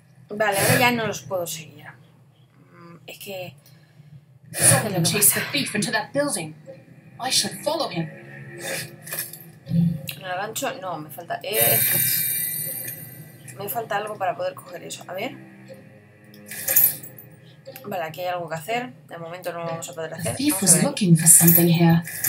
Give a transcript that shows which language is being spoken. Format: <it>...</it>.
<es>Vale, ahora ya no los puedo seguir. Es que...</es> <en>Solomon chased the thief into that building. I should follow him.</en> <es>¿En el gancho? No, me falta... Me falta algo para poder coger eso. A ver. Vale, aquí hay algo que hacer. De momento no lo vamos a poder hacer.</es> <en>The thief was looking for something here.</en>